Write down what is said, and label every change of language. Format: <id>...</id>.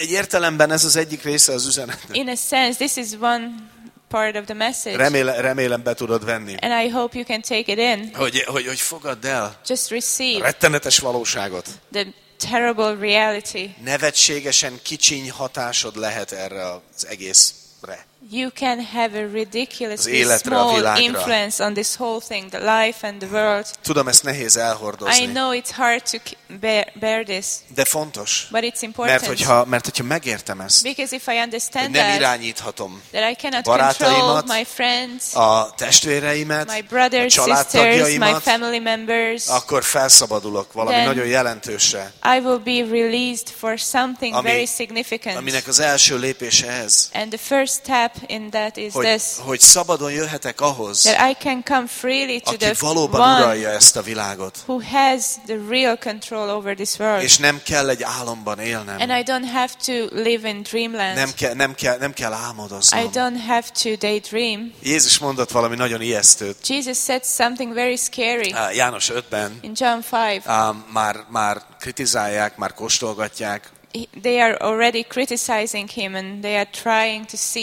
<hu>Egy értelemben ez az egyik része az üzenetnek.</hu> <en>In a sense, this is one part of the message.</en> <hu>Remélem be tudod venni.</hu> <en>And I hope you can take it in.</en> <hu>Hogy fogadd el.</hu> <en>Just receive.</en> <hu>Rettenetes valóságot.</hu> <en>The terrible reality.</en> <hu>Nevetségesen kicsiny hatásod lehet erre az egészre.</hu> <en>You can have a ridiculously small influence on this whole thing, the life and the world.</en> <hu>Tudom, ezt nehéz elhordozni.</hu> <en>I know it's hard to bear this.</en> <hu>De fontos.</hu> <en>But it's important.</en> <hu>Mert hogyha megértem ezt,</hu> <en>because if I understand</en> <hu>nem irányíthatom</hu> <en>that I cannot control my friends,</en> <hu>a testvéreimet,</hu> <en>my brothers,</en> <hu>a családtagjaimat,</hu> <en>my family members,</en> <hu>akkor felszabadulok valami nagyon jelentősre.</hu> <en>I will be released for something very significant.</en> <hu>Aminek az első lépése ez.</hu> <en>And the first step in that is this,</en> <hu>hogy szabadon jöhetek ahhoz,</hu> <en>that I can come freely to</en> <hu>aki valóban uralja ezt a világot,</hu> <en>who has the real control over this world,</en> <hu>és nem kell egy álomban élnem,</hu> <en>and I don't have to live in dreamland,</en> <hu>nem kell álmodoznom,</hu> <en>I don't have to daydream.</en> <hu>Jézus mondott valami nagyon ijesztőt.</hu> <en>Jesus said something very scary.</en> <hu>János 5-ben.</hu> <en>In John 5.</en> <hu>Már kritizálják, már kóstolgatják.</hu> <en>They are already criticizing him and they are trying to see</en>